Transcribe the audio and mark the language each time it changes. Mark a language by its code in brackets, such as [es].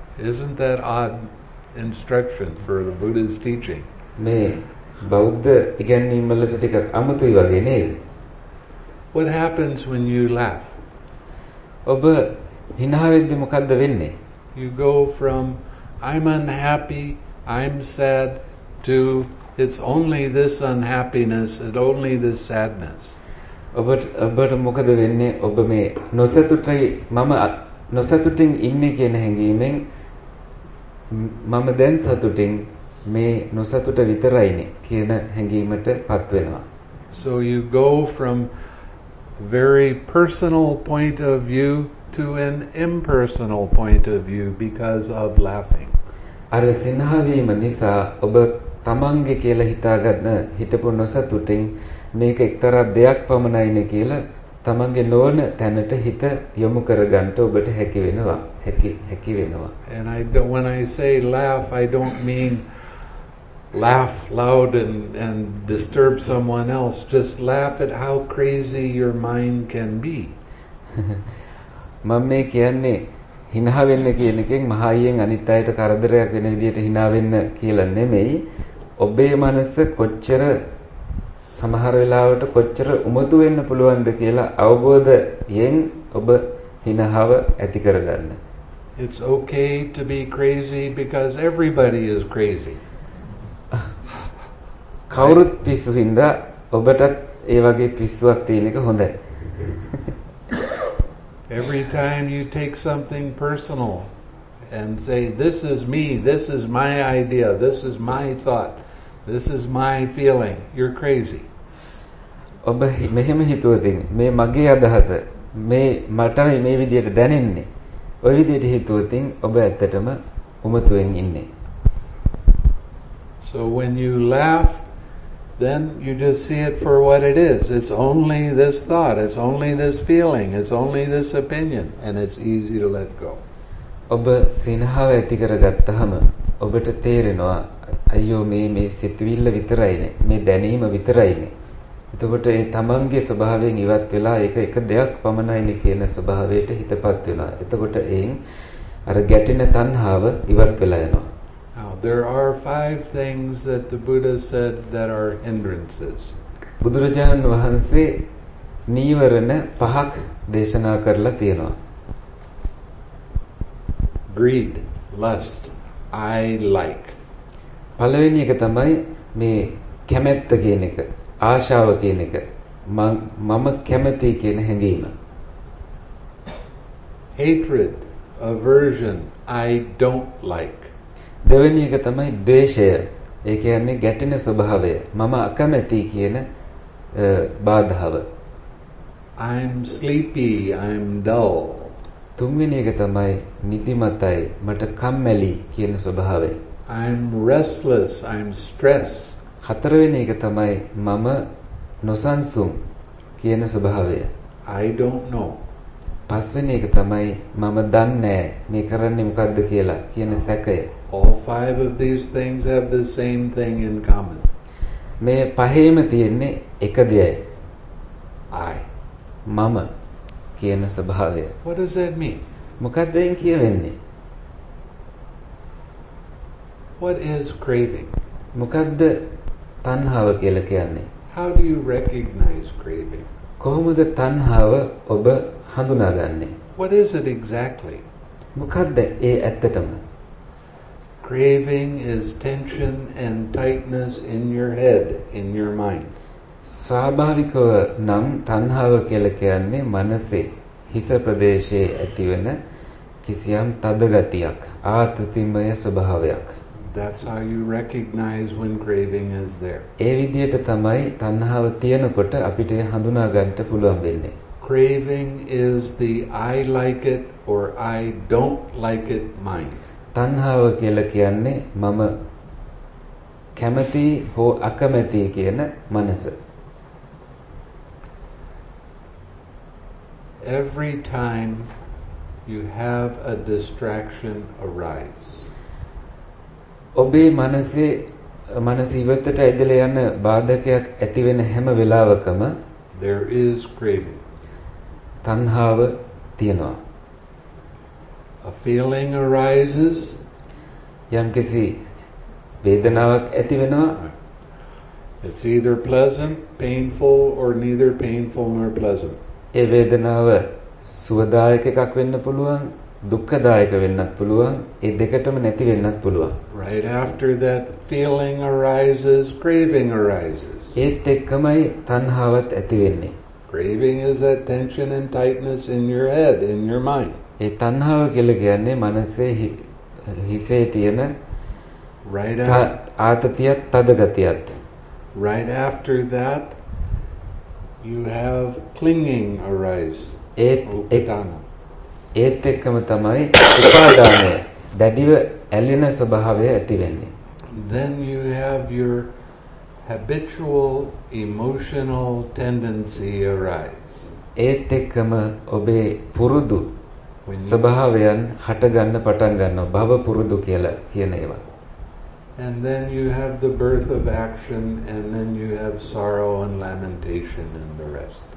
[en] Isn't that odd instruction for the Buddha's teaching? [si] මේ බෞද්ධ ඉගැන්වීම් වලට ටිකක් අමුතුයි වගේ නේද? [en] What happens when you laugh? [si] ඔබ හිනාවෙද්දි මොකද්ද වෙන්නේ? [en] You go from I'm unhappy, I'm sad to it's only this unhappiness, it's only this sadness. [si] ඔබට මොකද වෙන්නේ? ඔබ මේ නොසතුටයි මම නොසතුටින් ඉන්නේ කියන හැඟීමෙන් මම දැන් සතුටින් මේ නොසතුට විතරයිනේ කියන හැඟීමට පත් වෙනවා. [en] So you go from very personal point of view to an impersonal point of view because of laughing. [si] අර සිනහවීම නිසා ඔබ තමන්ගේ කියලා හිතාගන්න හිටපු නොසතුටින් මේක එක්තරා දෙයක් පමණයිනේ කියලා තමන්ගේ නොවන තැනට හිත යොමු කරගන්න ඔබට හැකි වෙනවා. හැකි වෙනවා. [en] And I don't, when I say laugh, I don't mean laugh loud and disturb someone else. Just laugh at how crazy your mind can be. [si] මම මේ කියන්නේ හිනා වෙන්න කියන එකෙන් මහයියෙන් අනිත් අයට කරදරයක් වෙන විදිහට හිනා වෙන්න කියලා නෙමෙයි. ඔබේ මනස කොච්චර සමහර වෙලාවට කොච්චර උමතු වෙන්න පුළුවන්ද කියලා අවබෝධයෙන් ඔබ හිනහව ඇති කරගන්න. [en] It's okay to be crazy because everybody is crazy. [si] කවුරුත් පිස්සු වින්දා ඔබටත් ඒ වගේ පිස්සුවක් තියෙන එක හොඳයි. [en] Every time you take something personal and say this is me, this is my idea, this is my thought, this is my feeling, you're crazy. [si] ඔබ මෙහෙම හිතුවදින් මේ මගේ අදහස මේ මට මේ විදිහට දැනෙන්නේ ඔය විදිහට හිතුවදින් ඔබ ඇත්තටම උමතුෙන් ඉන්නේ. [en] So when you laugh, then you just see it for what it is. It's only this thought, it's only this feeling, it's only this opinion, and it's easy to let go. [si] ඔබ සිනහව ඇති කරගත්තහම ඔබට තේරෙනවා අයියෝ මේ සිතුවිල්ල විතරයිනේ මේ දැනීම විතරයිනේ. එතකොට ඒ තමන්ගේ ස්වභාවයෙන් ඉවත් වෙලා ඒක එක දෙයක් පමණයිනේ කියන ස්වභාවයට හිතපත් වෙනවා. එතකොට එයින් අර ගැටෙන තණ්හාව ඉවත් වෙලා යනවා. [en] Now there are 5 things that the Buddha said that are hindrances. [si] බුදුරජාණන් වහන්සේ නීවරණ පහක් දේශනා කරලා තියෙනවා. [en] Greed, lust, I like. [si] පළවෙනි එක තමයි මේ කැමැත්ත කියන එක, ආශාව කියන එක, මම කැමති කියන හැඟීම. [en] Hatred, aversion, I don't like. [si] දෙවෙනි එක තමයි ද්වේෂය. ඒ කියන්නේ ගැටෙන ස්වභාවය. මම අකමැති කියන බාධාව. [en] I'm sleepy, I'm dull. [si] තුන්වෙනි එක තමයි නිදිමතයි, මට කම්මැලි කියන ස්වභාවය. [en] I'm restless, I'm stressed. [si] හතරවෙනි එක තමයි මම නොසන්සුන් කියන ස්වභාවය. [en] I don't know. [si] පස්වෙනි එක තමයි මම දන්නේ මේ කරන්නේ මොකද්ද කියලා කියන සැකය. [en] All five of these things have the same thing in common. [si] මේ පහේම තියෙන්නේ එක දෙයයි. [en] I [si] මම කියන ස්වභාවය. [en] What does that mean? [si] මොකද්ද එන් කියවෙන්නේ? [en] What is craving? [si] මොකද්ද තණ්හාව කියලා කියන්නේ? [en] How do you recognize craving? [si] කොහොමද තණ්හාව ඔබ හඳුනාගන්නේ? [en] What is it exactly? [si] මොකද්ද ඒ ඇත්තටම? [en] Craving is tension and tightness in your head, in your mind. [si] ස්වාභාවිකව නම් තණ්හාව කියලා කියන්නේ මනසේ හිස ප්‍රදේශයේ ඇතිවන කිසියම් තද ගතියක්, ආතතිමය ස්වභාවයක්. [en] That's how you recognize when craving is there. [si] ඒ විදිහට තමයි තණ්හාව තියෙනකොට අපිට හඳුනා ගන්න පුළුවන් වෙන්නේ. [en] Craving is the I like it or I don't like it mind. [si] තණ්හාව කියලා කියන්නේ මම කැමති හෝ අකමැති කියන මනස. [en] Every time you have a distraction arise. [si] ඔබේ මනසේ මනස ඉවතට ඇදලා යන බාධකයක් ඇති වෙන හැම වෙලාවකම [en] there is craving. [si] තණ්හාව තියෙනවා. [en] A feeling arises. [si] යම්කිසි වේදනාවක් ඇති වෙනවා. [en] It's either pleasant, painful or neither painful nor pleasant. [si] ඒ වේදනාව සුවදායක එකක් වෙන්න පුළුවන්. දුක්ඛදායක වෙන්නත් පුළුවන් ඒ දෙකටම නැති වෙන්නත් පුළුවන් [en] right after that feeling arises craving arises [si] ඒත් එක්කමයි තණ්හාවත් ඇති වෙන්නේ [en] craving is a tension and tightness in your head in your mind [si] ඒ තණ්හාව කියලා කියන්නේ මනසේ හිසේ තියෙන [en] right [si] ආතතියත් තද ගතියත් [en] right after that you have clinging arises [si] ඒත් එකන ඒත් එක්කම තමයි උපාදානය දැඩිව ඇලෙන ස්වභාවය ඇති වෙන්නේ. [en] Then you have your habitual emotional tendency arise. [si] ඒත් එක්කම ඔබේ පුරුදු ස්වභාවයන් හට ගන්න පටන් ගන්නවා භව පුරුදු කියලා කියන ඒවා. [en] And then you have the birth of action and then you have sorrow and lamentation and the rest.